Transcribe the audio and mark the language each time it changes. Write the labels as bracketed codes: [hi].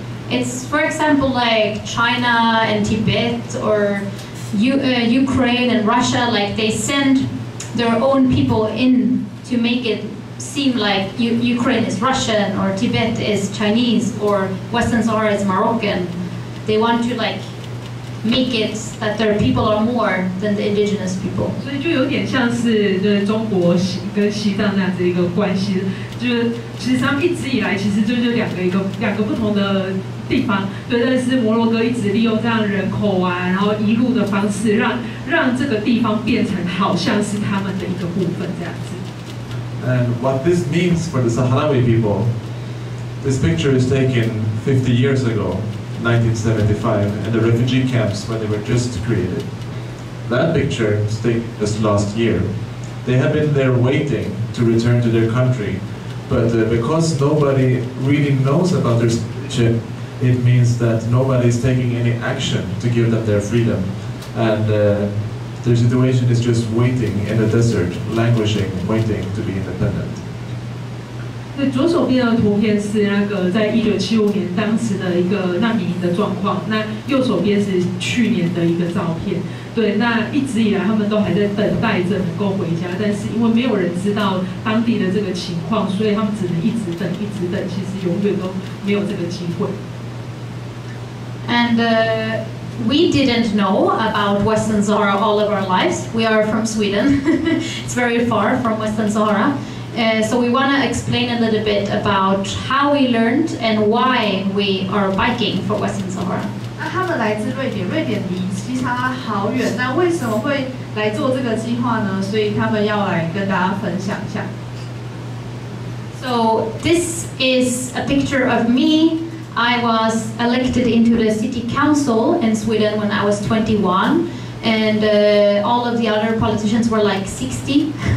[en] It's for example like China and Tibet or Ukraine and Russia, like they send their own people in to make it seem like Ukraine is Russian or Tibet is Chinese or Western Sahara is Moroccan. They want to like make it that their people are more than the indigenous people. So it's [zh] 有点像是就是中国跟西藏那样子一个关系。就是其实他们一直以来其实就是两个不同的地方，对，但是摩洛哥一直利用这样的人口啊，然后移入的方式让这个地方变成好像是他们的一个部分这样子。 [en] And what this means for the Sahrawi people, this picture is taken 50 years ago, 1975, and the refugee camps when they were just created. That picture is taken just last year. They have been there waiting to return to their country. But because nobody really knows about their citizenship, it means that nobody is taking any action to give them their freedom. And their situation is just waiting in the desert, languishing, waiting to be independent. [zh] 那左手边的图片是那个在1975年当时的一个难民营的状况，那右手边是去年的一个照片。对，那一直以来他们都还在等待着能够回家，但是因为没有人知道当地的这个情况，所以他们只能一直等，其实永远都没有这个机会。 [en] And we didn't know about Western Sahara all of our lives. We are from Sweden. It's very far from Western Sahara. So we want to explain a little bit about how we learned and why we are biking for Western Sahara. [zh] 他们来自瑞典，瑞典离西撒哈拉好远，那为什么会来做这个计划呢？所以他们要来跟大家分享一下。 [en] So this is a picture of me. I was elected into the city council in Sweden when I was 21, and all of the other politicians were like 60.